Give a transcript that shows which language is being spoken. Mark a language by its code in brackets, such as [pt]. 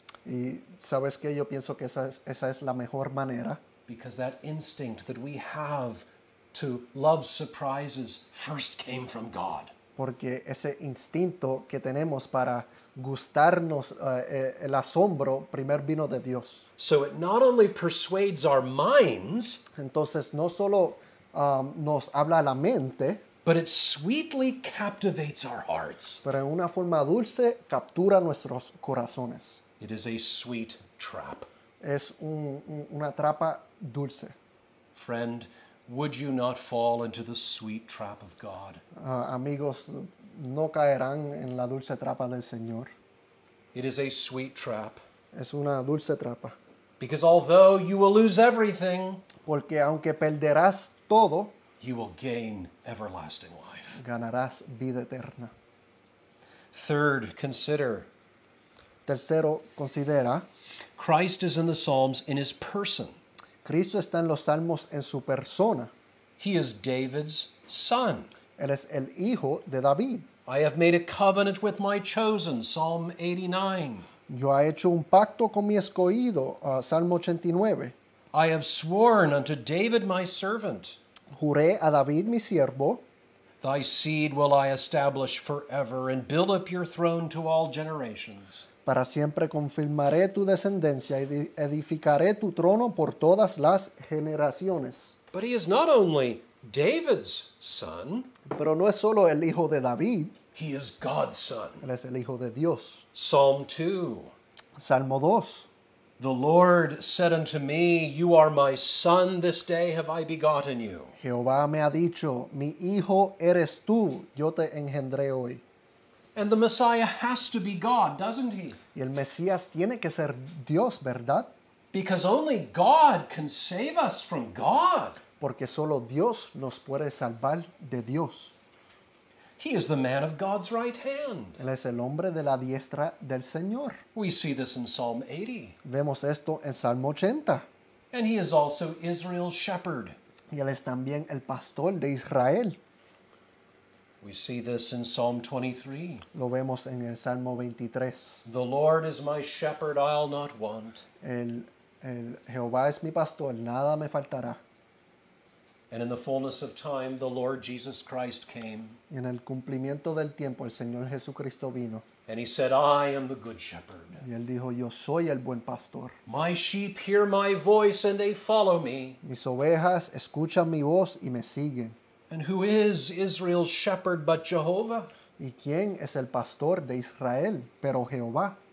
[es] Y sabes que yo pienso que esa es la mejor manera. [en] Because that instinct that we have to love surprises first came from God. [es] Porque ese instinto que tenemos para gustarnos el asombro primer vino de Dios. [en] So it not only persuades our minds, [es] entonces no solo nos habla la mente, [en] but it sweetly captivates our hearts. [es] Pero en una forma dulce captura nuestros corazones. [en] It is a sweet trap. [es] Es una trampa dulce. [en] Friend, would you not fall into the sweet trap of God? [es] Amigos, no caerán en la dulce trampa del Señor. [en] It is a sweet trap. [es] Es una dulce trampa. [en] Because although you will lose everything, [es] porque aunque perderás todo, [en] you will gain everlasting life. [es] Ganarás vida eterna. [en] Third, consider. [es] Tercero, considera. [en] Christ is in the Psalms in his person. [es] Cristo está en los Salmos en su persona. [en] He is David's son. [es] Él es el hijo de David. [en] I have made a covenant with my chosen, Psalm 89. [es] Yo he hecho un pacto con mi escogido, Salmo 89. [en] I have sworn unto David my servant. [es] Juré a David mi siervo. [en] Thy seed will I establish forever and build up your throne to all generations. [es] Para siempre confirmaré tu descendencia y edificaré tu trono por todas las generaciones. [en] But he is not only David's son. [es] Pero no es solo el hijo de David. [en] He is God's son. [es] Él es el hijo de Dios. [en] Psalm 2. [es] Salmo 2. [en] The Lord said unto me, "You are my son, this day have I begotten you." [es] Jehová me ha dicho, "Mi hijo eres tú, yo te engendré hoy." [en] And the Messiah has to be God, doesn't he? [es] Y el Mesías tiene que ser Dios, ¿verdad? [en] Because only God can save us from God. [es] Porque solo Dios nos puede salvar de Dios. [en] He is the man of God's right hand. [es] Él es el hombre de la diestra del Señor. [en] We see this in Psalm 80. [es] Vemos esto en Salmo 80. [en] And he is also Israel's shepherd. [es] Y él es también el pastor de Israel. [en] We see this in Psalm 23. [es] Lo vemos en el Salmo 23. [en] The Lord is my shepherd, I'll not want. [es] El Jehová es mi pastor, nada me faltará. [en] And in the fullness of time, the Lord Jesus Christ came. [es] Y en el cumplimiento del tiempo, el Señor Jesucristo vino. [en] And he said, I am the good shepherd. [es] Y él dijo, yo soy el buen pastor. [en] My sheep hear my voice and they follow me. [es] Mis ovejas escuchan mi voz y me siguen. [en] And who is Israel's shepherd but Jehovah? [es] ¿Y quién es el pastor de Israel pero Jehová?